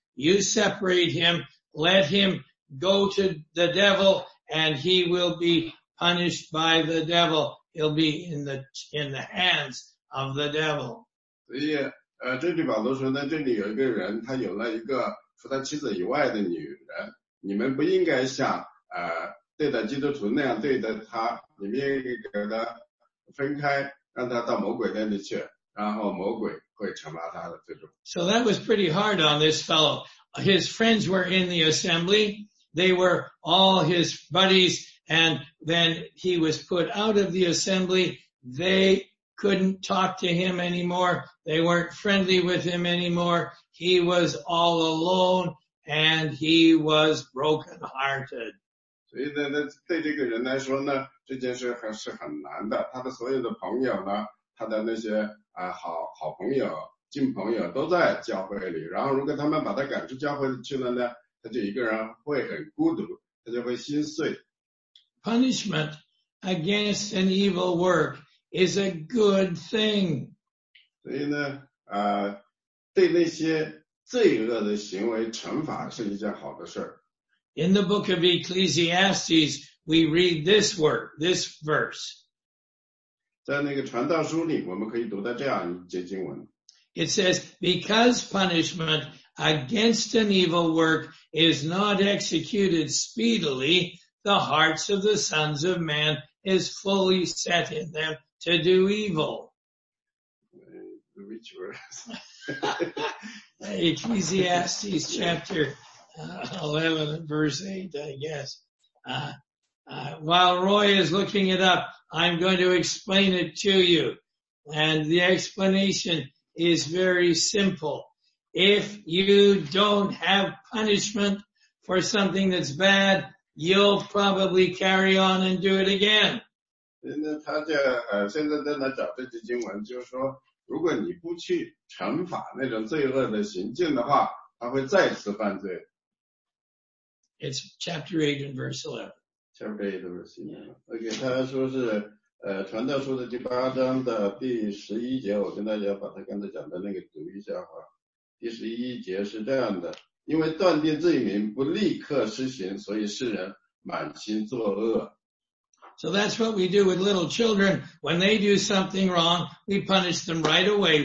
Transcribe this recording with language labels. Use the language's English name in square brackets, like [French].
[English] You separate him, let him go to the devil, and he will be punished by the devil. He'll be in the hands of the devil. [Chinese] 所以这里保罗说呢，这里有一个人，他有了一个除他妻子以外的女人，你们不应该像对待基督徒那样对待他，你们应该给他分开，让他到魔鬼那里去，然后魔鬼会惩罚他的罪过。 [English] So that was pretty hard on this fellow. His friends were in the assembly. They were all his buddies. And then he was put out of the assembly. They couldn't talk to him anymore. They weren't friendly with him anymore. He was all alone and he was broken hearted. [Chinese] 所以呢，对这个人来说呢，这件事还是很难的。他的所有的朋友呢，他的那些好朋友、近朋友都在教会里，然后如果他们把他赶出教会去了呢，他就一个人会很孤独，他就会心碎。 [English] Punishment against an evil work is a good thing. [Chinese] 所以呢，对那些罪恶的行为惩罚是一件好的事。 [English] In the book of Ecclesiastes, we read this word, this verse. [Chinese] 在那个传道书里，我们可以读到这样一节经文。 [English] It says, because punishment against an evil work is not executed speedily, the hearts of the sons of man is fully set in them to do evil. Which word? Ecclesiastes chapter 11, verse 8, I guess. While Roy is looking it up,I'm going to explain it to you. And the explanation is very simple. If you don't have punishment for something that's bad, you'll probably carry on and do it again. [Chinese] 他这现在在那找这句经文，就是说，如果你不去惩罚那种罪恶的行径的话，他会再次犯罪。 [English] It's chapter 8 and verse 11. [Chinese] Okay, 他说是传道书的第八章的第十一节，我跟大家把他刚才讲的那个读一下哈。第十一节是这样的，因为断定罪名不立刻施行，所以世人满心作恶。 [English] So that's what we do with little children. When they do something wrong, we punish them right away.